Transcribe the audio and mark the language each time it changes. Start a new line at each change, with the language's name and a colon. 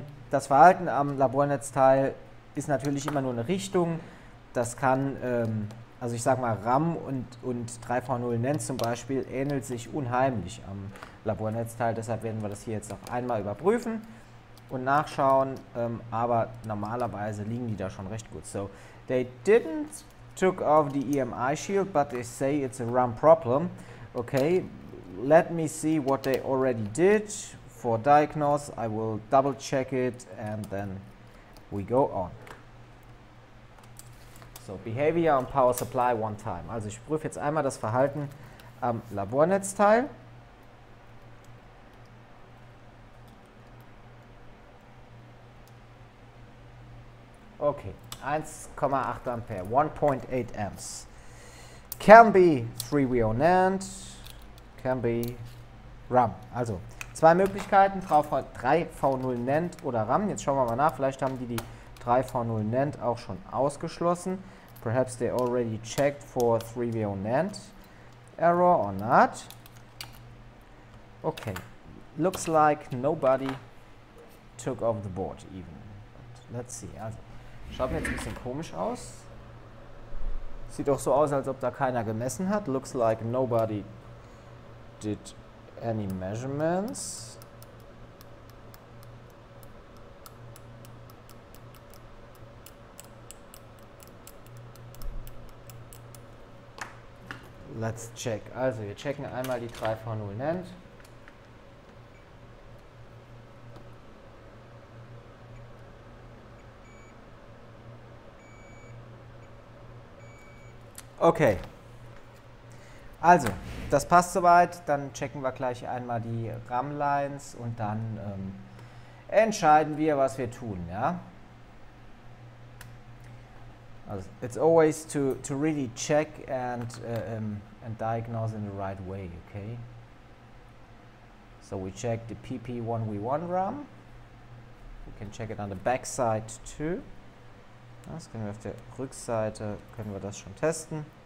German: Das Verhalten am Labornetzteil ist natürlich immer nur eine Richtung. Das kann, also ich sag mal, RAM und 3V0 NAND zum Beispiel ähnelt sich unheimlich am Labornetzteil. Deshalb werden wir das hier jetzt auch einmal überprüfen und nachschauen. Aber normalerweise liegen die da schon recht gut.
English: So, they didn't took off the EMI shield, but they say it's a RAM problem. Okay, let me see what they already did for diagnose. I will double check it and then we go on. So, behavior on power supply one time.
German: Also ich prüfe jetzt einmal das Verhalten am Labornetzteil. Okay. 1,8 Ampere,
English: 1.8 Amps. Can be 3VO NAND, can be RAM.
German: Also zwei Möglichkeiten, 3V0 NAND oder RAM. Jetzt schauen wir mal nach, vielleicht haben die 3V0 NAND auch schon ausgeschlossen.
English: Perhaps they already checked for 3VO NAND error or not. Okay, looks like nobody took off the board even. But let's see,
German: also. Schaut mir jetzt ein bisschen komisch aus. Sieht doch so aus, als ob da keiner gemessen hat.
English: Looks like nobody did any measurements. Let's check.
German: Also, wir checken einmal die 3V0 NAND. Okay, also das passt soweit, dann checken wir gleich einmal die RAM-Lines und dann entscheiden wir, was wir tun. Ja?
English: Also, it's always to really check and diagnose in the right way, okay? So we check the PP1V1 RAM, we can check it on the back side too.
German: Das können wir auf der Rückseite, können wir das schon testen.